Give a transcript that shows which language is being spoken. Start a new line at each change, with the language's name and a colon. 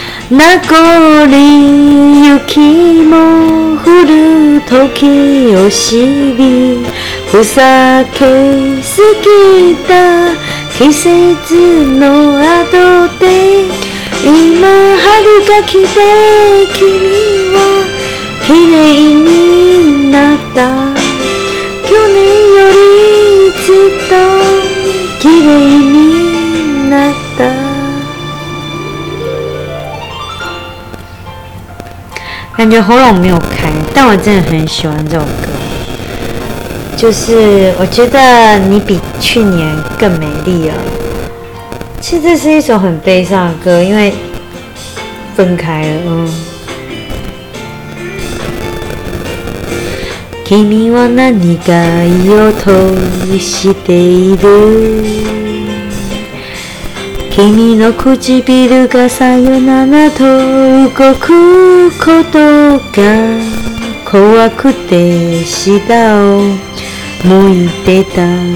Japanese: 名残雪も降る時を知り、ふざけすぎた季節の後で、今春が来て君は綺麗になった。去年よりずっと綺麗になった。
Chinese: 感觉喉咙没有开，但我真的很喜欢这首歌，就是我觉得你比去年更美丽了。其实这是一首很悲伤的歌，因为分开了。
Japanese: 君は何か言おうとしている。君の唇がさよならと動くことが怖くて舌を向いてた。